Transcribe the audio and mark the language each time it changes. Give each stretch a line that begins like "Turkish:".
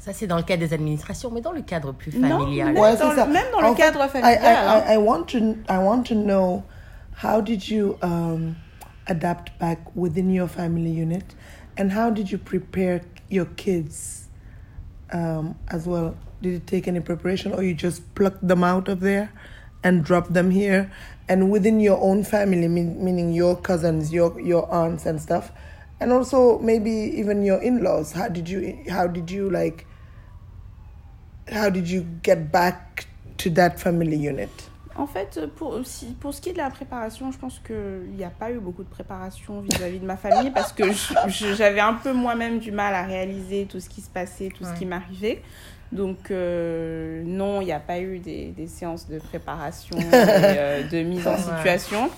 French: Ça, c'est dans le cadre des administrations, mais dans le cadre plus familial.
English: I want to know... How did you adapt back within your family unit, and how did you prepare your kids as well? Did it take any preparation, or you just plucked them out of there and dropped them here? And within your own family, meaning your cousins, your aunts and stuff, and also maybe even your in-laws, how did you like How did you get back to that family unit?
French: En fait, pour ce qui est de la préparation, je pense qu'il n'y a pas eu beaucoup de préparation vis-à-vis de ma famille parce que j'avais un peu moi-même du mal à réaliser tout ce qui se passait, tout ce qui m'arrivait. Donc, non, il n'y a pas eu des séances de préparation et de mise en situation.